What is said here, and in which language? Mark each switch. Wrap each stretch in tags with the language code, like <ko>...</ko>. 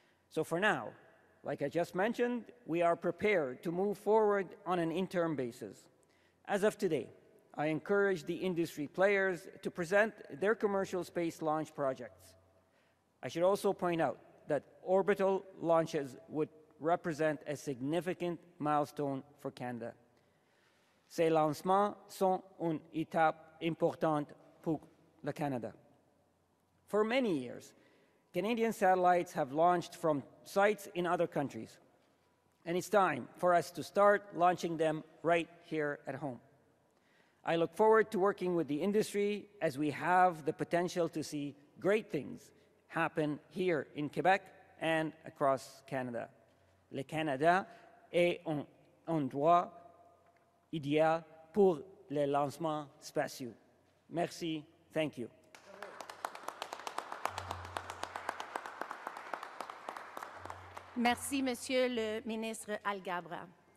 <en>So for now, like I just mentioned, we are prepared to move forward on an interim basis. As of today, I encourage the industry players to present their commercial space launch projects. I should also point out that orbital launches would represent a significant milestone for Canada.</en> <fr>Ces lancements sont une étape importante pour le Canada.</fr> <en>For many years, Canadian satellites have launched from sites in other countries, and it's time for us to start launching them right here at home. I look forward to working with the industry as we have the potential to see great things happen here in Quebec and across Canada.</en> <fr>Le Canada est un endroit idéal pour les lancements spatiaux. Merci,</fr> <en>thank you.</en> <fr>Merci, Monsieur le ministre Algabra.</fr>